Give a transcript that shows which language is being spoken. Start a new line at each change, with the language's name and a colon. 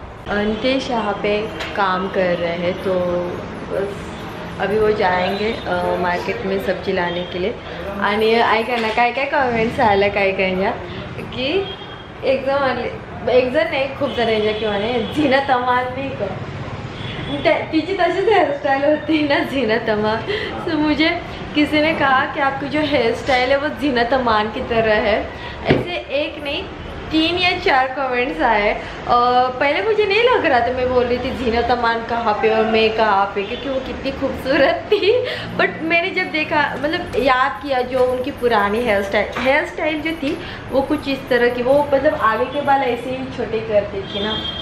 Hindi: अंतेश यहाँ पे काम कर रहे हैं, तो बस अभी वो जाएंगे मार्केट में सब्जी लाने के लिए.
Marathi: आणि ऐकायला काय काय कमेंट्स आला काय काय की एकदम आले, एक जण नाही खूप जण यायच्या की म्हणे झीना तमा नाही कर, तिची तशीच हेअरस्टाईल होती ना झीना तमा.
Hindi: सो मुझे किसी ने कहा कि आपकी जो हेअरस्टाईल है वो झीना तमान की तरह है. ऐसे एक नहीं तीन या चार कमेंट्स आए. पहले मुझे नहीं लग रहा था, मैं बोल रही थी जीना तमान कहाँ पे और मैं कहाँ पे, क्योंकि वो कितनी खूबसूरत थी. बट मैंने जब देखा, मतलब याद किया जो उनकी पुरानी हेयर स्टाइल जो थी वो कुछ इस तरह की, वो मतलब आगे के बाल ऐसे ही छोटे करती थी ना.